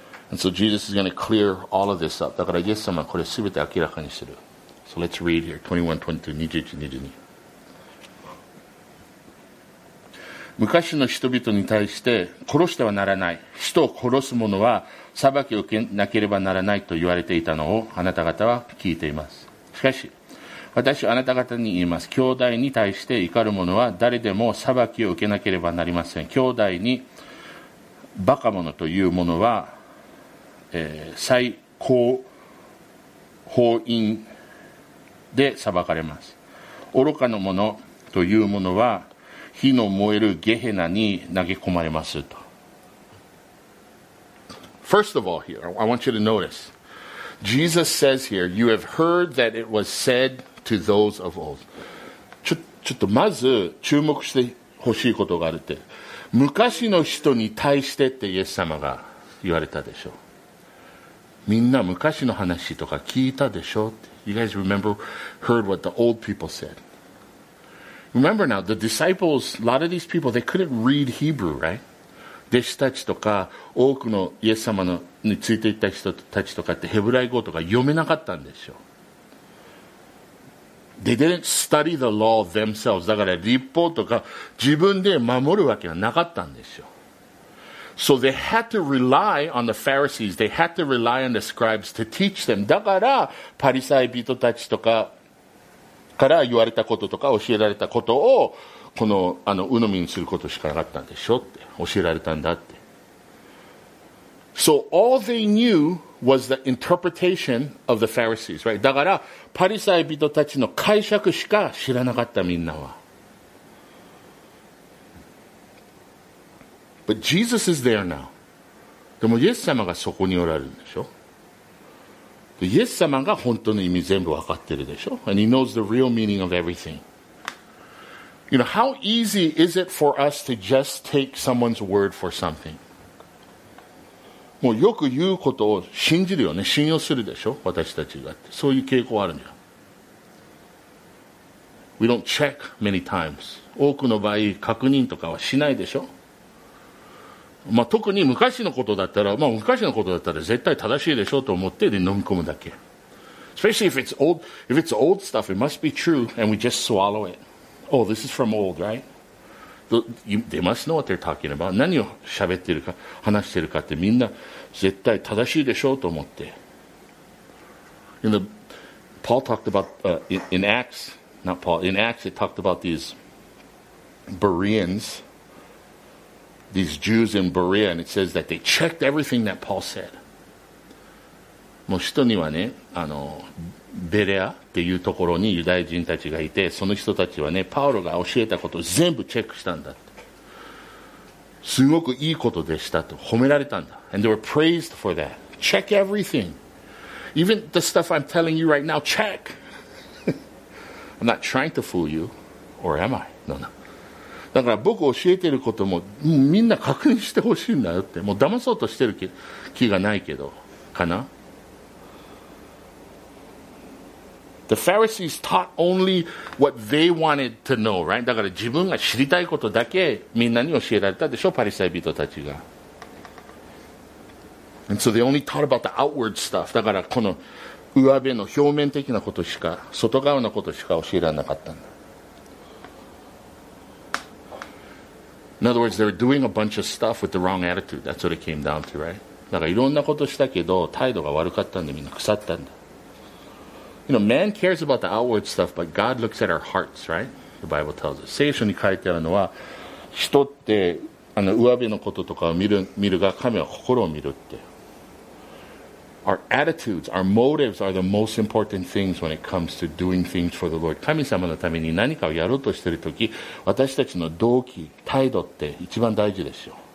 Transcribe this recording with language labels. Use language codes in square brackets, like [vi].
[en] And so Jesus is going to clear all of this up. [ja] だから、イエス様はこれすべて明らかにする。 [en] So let's read here. 21:22. [ja] 昔の人々に対して、殺してはならない。人を殺す者は、裁きを受けなければならないと言われていたのを、あなた方は聞いています。しかし私はあなた方に言います、兄弟に対して怒る者は誰でも裁きを受けなければなりません。兄弟にバカ者という者は、最高法院で裁かれます。愚かの者という者は火の燃えるゲヘナに投げ込まれますと。 [en] First of all here, I want you to noticeJesus says here, you have heard that it was said to those of old. [ja] ちょっとまず注目してほしいことがあるって、昔の人に対してってイエス様が言われたでしょう。みんな昔の話とか聞いたでしょう。 [en] You guys remember, heard what the old people said. Remember now, the disciples, a lot of these people, they couldn't read Hebrew, right? [ja] 弟子たちとか多くのイエス様のについていった人たちとかってヘブライ語とか読めなかったんでしょう。 [en] They didn't study the law themselves. [ja] だから律法とか自分で守るわけはなかったんでしょう。 [en] So they had to rely on the Pharisees. They had to rely on the scribes to teach them. [ja] だからパリサイ人たちとかから言われたこととか教えられたことをこの、鵜呑みにすることしかなかったんでしょって教えられたんだって。 [en] So all they knew was the interpretation of the Pharisees, right? [ja] だから、パリサイ人たちの解釈しか知らなかったみんなは。 [en] But Jesus is there now. [ja] でもイエス様がそこにおられるんでしょ？でイエス様が本当の意味全部わかってるでしょ？ [en] And he knows the real meaning of everything. You know, how easy is it for us to just take someone's word for something? [ja] もうよく言うことを信じるよね。信用するでしょ、私たちが。そういう傾向あるんじゃ。 [en] We don't check many times. [ja] 多くの場合、確認とかはしないでしょ。まあ、特に昔のことだったら、まあ、昔のことだったら絶対正しいでしょと思ってで飲み込むだけ。 [en] Especially if it's old stuff, it must be true, and we just swallow it. Oh, this is from old, right? They must know what they're talking about. [ja] 何を喋ってるか、話してるかってみんな絶対正しいでしょうと思って。 [en] In the, Paul talked about, in Acts, it talked about these Bereans, these Jews in Berea, and it says that they checked everything that Paul said. [ja] もう人にはね、ベレアっていうところにユダヤ人たちがいて、その人たちはね、パウロが教えたことを全部チェックしたんだって。すごくいいことでしたと褒められたんだ。 [en] And they were praised for that. Check everything. Even the stuff I'm telling you right now, check. I'm not trying to fool you. Or am I? No. [ja] だから僕教えてることも、みんな確認してほしいんだよって。もう騙そうとしてる気がないけど、かな。 [en] The Pharisees taught only what they wanted to know, right? [ja] だから自分が知りたいことだけみんなに教えられたでしょ、パリサイ人たちが。 [en] And so they only taught about the outward stuff. [ja] だからこの上辺の表面的なことしか、外側のことしか教えられなかったんだ。 [en] In other words, they were doing a bunch of stuff with the wrong attitude. That's what it came down to, right? [ja] だからいろんなことしたけど、態度が悪かったんでみんな腐ったんだ。 [en] You know, man cares about the outward stuff, but God looks at our hearts, right? The Bible tells us. [ja] 聖書に書いてあるのは、人って、上辺のこととかを見るが、神は心を見るって。 [en] Our attitudes, our motives are the most important things when it comes to doing things for the Lord. [ja] 神様のために何かをやろうとしているとき、私たちの動機、態度って一番大事でしょう。